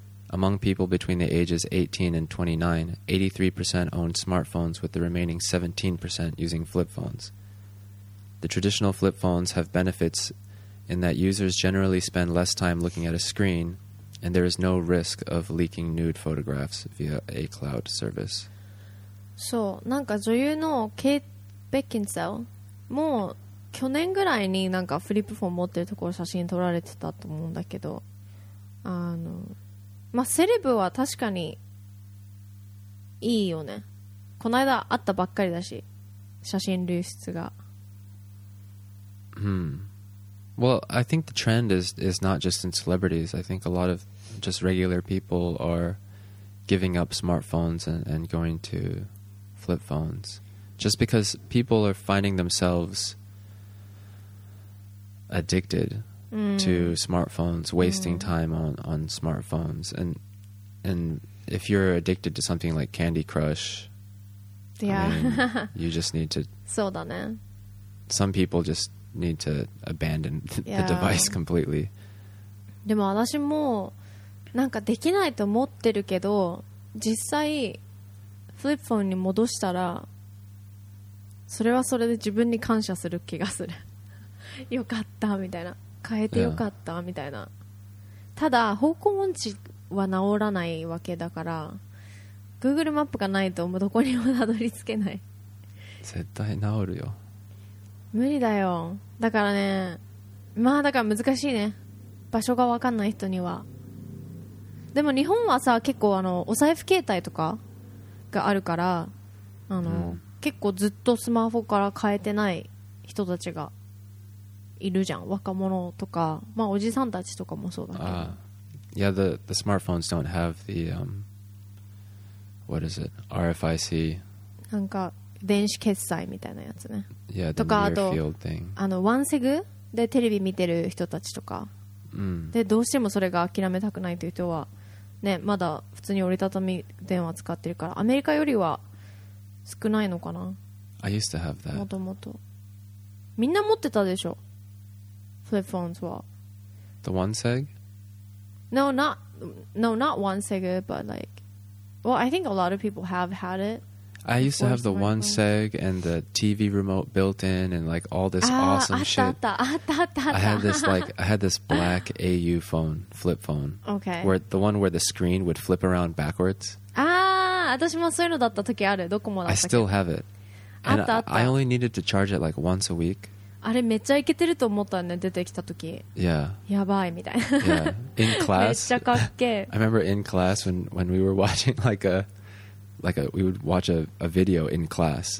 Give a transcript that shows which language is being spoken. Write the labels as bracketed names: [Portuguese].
[English] Among people between the ages 18 and 29, 83% owned smartphones, with the remaining 17% using flip phones. The traditional flip phones have benefits in that users generally spend less time looking at a screen, and there is no risk of leaking nude photographs via a cloud service. [Japanese] そう、なんか女優のケイト・ベッキンセルも去年ぐらいになんかフリップフォン持ってるところ写真撮られてたと思うんだけど、あの、まあ、セレブは確かにいいよね。こないだ会ったばっかりだし、写真流出が。 Hmm. [English] Well, I think the trend is not just in celebrities. I think a lot of just regular people are giving up smartphones and going to... flip phones just because people are finding themselves addicted、mm. to smartphones, wasting、mm. time on smartphones, and if you're addicted to something like Candy Crush, yeah, I mean, you just need to [Japanese] そうだね。 [English] Some people just need to abandon the、yeah. device completely. [Japanese] でも私もなんかできないと思ってるけど、実際フリップフォンに戻したらそれはそれで自分に感謝する気がする。よかったみたいな、変えてよかったみたいな、ただ方向音痴は治らないわけだから、 Google マップがないともうどこにもたどり着けない。絶対治るよ。無理だよ。だからね、まあだから難しいね、場所が分かんない人には。でも日本はさ結構あのお財布携帯とかがあるから、あの、うん、結構ずっとスマホから変えてない人たちがいるじゃん、若者とか、まあ、おじさんたちとかもそうだけど、 [English] Yeah, the smartphones don't have the、what is it? RFIC? [Japanese] なんか電子決済みたいなやつね。 [English] Yeah, the near field thing. [Japanese] とかあとワンセグでテレビ見てる人たちとか、うん、でどうしてもそれが諦めたくないという人はね、まだ普通に折りたたみ電話使ってるからアメリカよりは少ないのかな。 [English] I used to have that. [Japanese] もともとみんな持ってたでしょ、フリップフォンズは。 [English] The one seg? No, not one seg, but like, well, I think a lot of people have had it. I used to have the one seg and the TV remote built in and like all this awesome shit. [Japanese] あったあった。 [English] I had this black AU phone, flip phone. Okay. Where the one where the screen would flip around backwards. [Japanese] ああ、私もそういうのだった時ある。どこもだった。 [English] I still have it. [Japanese] あったあった。 [English] I only needed to charge it like once a week. [Japanese] あれめっちゃイケてると思ったね、出てきた時。 [English] Yeah. [Japanese] やばいみたいな。 [English] Yeah. In class. [Japanese] めっちゃかっけ。 [English] I remember in class when we were watching like a we would watch a video in class、